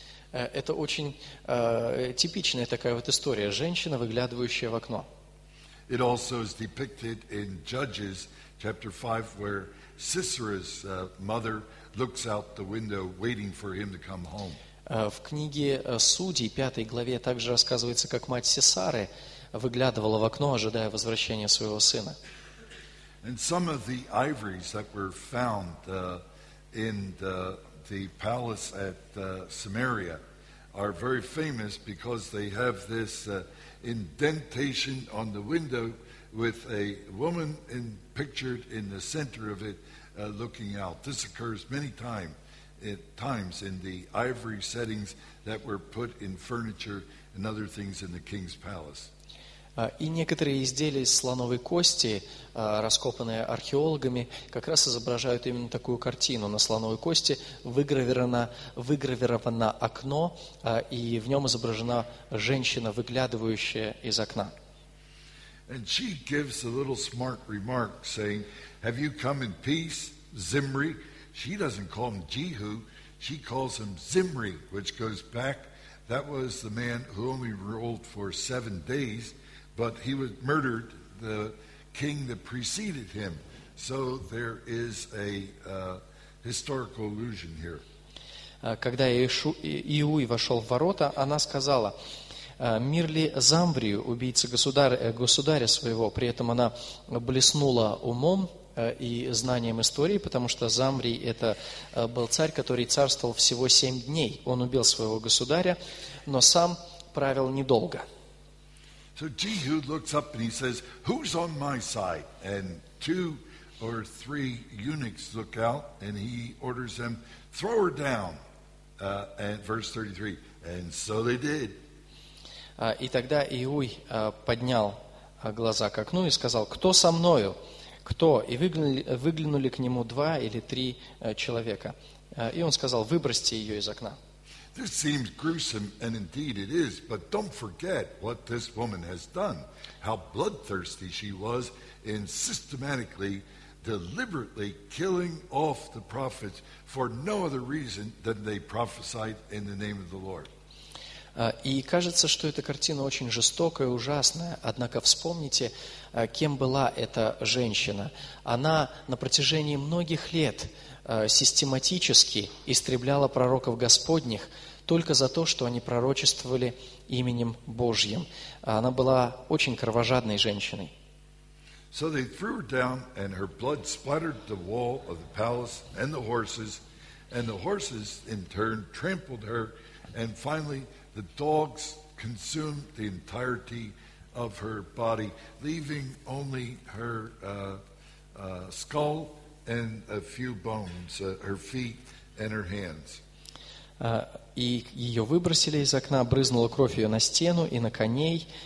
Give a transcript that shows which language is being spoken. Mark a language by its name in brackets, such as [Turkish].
[Russian] Это очень типичная такая вот история, женщина, выглядывающая в окно. [English] It also is depicted in Judges chapter 5, where Sisera's mother looks out the window waiting for him to come home. [Russian] В книге Судей, 5 главе, также рассказывается, как мать Сесары выглядывала в окно, ожидая возвращения своего сына. [English] And some of the ivories that were found in the palace at Samaria are very famous because they have this indentation on the window with a woman in, pictured in the center of it looking out. This occurs many times in the ivory settings that were put in furniture and other things in the king's palace. [Russian] И некоторые изделия из слоновой кости, раскопанные археологами, как раз изображают именно такую картину. На слоновой кости выгравировано окно, и в нем изображена женщина, выглядывающая из окна. [English] And she gives a little smart remark, saying, "Have you come in peace, Zimri?" She doesn't call him Jehu, she calls him Zimri, which goes back. That was the man who only ruled for 7 days, but he was murdered the king that preceded him. So there is a historical allusion here. [Russian] Когда Иуй вошел в ворота, она сказала: «Мир ли Замврию, убийца государя своего?» При этом она блеснула умом и знанием истории, потому что Замврий – это был царь, который царствовал всего 7 дней. Он убил своего государя, но сам правил недолго. [English] So Jehu looks up and he says, "Who's on my side?" And 2 or 3 eunuchs look out, and he orders them, "Throw her down." And verse 33. And so they did. [Russian] И тогда Иуй поднял глаза к окну и сказал: "Кто со мною? Кто?" И выглянули к нему 2 или 3 человека. И он сказал: "Выбросьте ее из окна." [English] This seems gruesome, and indeed it is, but don't forget what this woman has done, how bloodthirsty she was in systematically, deliberately killing off the prophets for no other reason than they prophesied in the name of the Lord. [Russian] И кажется, что эта картина очень жестокая, ужасная. Однако вспомните, кем была эта женщина. Она на протяжении многих лет систематически истребляла пророков Господних только за то, что они пророчествовали именем Божьим. Она была очень кровожадной женщиной. [English] So they threw her down, and her blood splattered the wall of the palace and the horses in turn trampled her, and finally the dogs consumed the entirety of her body, leaving only her skull and a few bones, her feet and her hands. [Russian] И ее выбросили из окна, брызнула кровь ее на стену и на коней.